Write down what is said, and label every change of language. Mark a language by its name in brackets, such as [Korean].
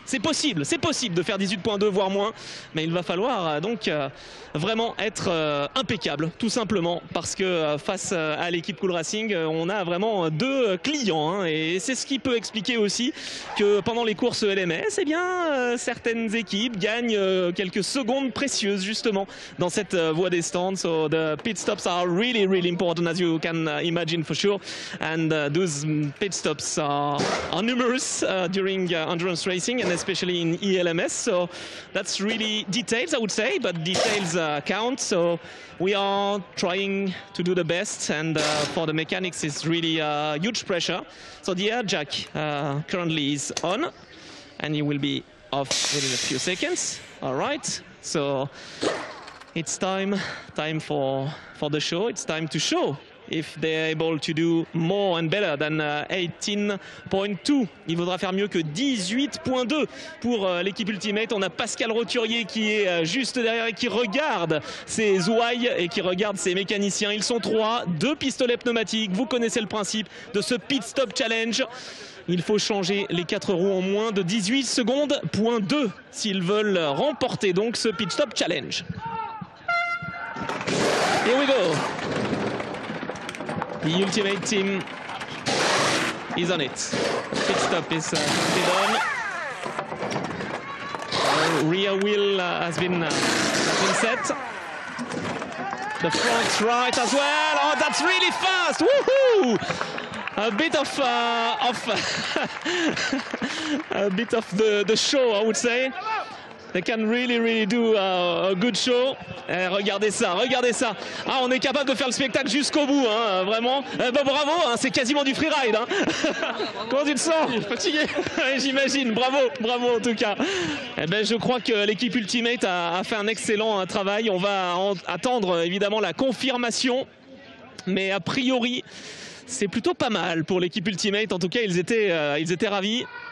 [French] C'est possible de faire 18.2, voire moins, mais il va falloir donc vraiment être impeccable, tout simplement, parce que face à l'équipe Cool Racing, on a vraiment deux clients, hein, et c'est ce qui peut expliquer aussi que pendant les courses LMS, eh bien, certaines équipes gagnent quelques secondes précieuses, justement, dans cette voie des stands. [English] So the pit stops are really, really important, as you can imagine, for sure, and those pit stops are numerous during endurance racing, and especially in ELMS. So that's really details, I would say, but details count. So we are trying to do the best, and for the mechanics, it's really a huge pressure. So the air jack currently is on, and it will be off within a few seconds. All right, so it's time for the show. It's time to show if they're able to do more and better than 18.2. [French] Il faudra faire mieux que 18.2 pour l'équipe Ultimate. On a Pascal Roturier qui est juste derrière et qui regarde ses ouailles et qui regarde ses mécaniciens. Ils sont trois, deux pistolets pneumatiques. Vous connaissez le principe de ce pit stop challenge. Il faut changer les quatre roues en moins de 18.2 secondes s'ils veulent remporter donc ce pit stop challenge. [English] Here we go. The Ultimate team is on it. Pit stop is done. Rear wheel has been set. The front right as well. Oh, that's really fast! Woohoo! A bit of the show, I would say. They can really, really do a good show. [French] Eh, regardez ça, regardez ça. Ah, on est capable de faire le spectacle jusqu'au bout, hein, vraiment. Eh ben, bravo, hein, c'est quasiment du freeride. Hein. Comment tu te sens ? Fatigué. J'imagine, bravo, bravo en tout cas. Eh ben, je crois que l'équipe Ultimate a fait un excellent travail. On va attendre évidemment la confirmation. Mais a priori, c'est plutôt pas mal pour l'équipe Ultimate. En tout cas, ils étaient ravis.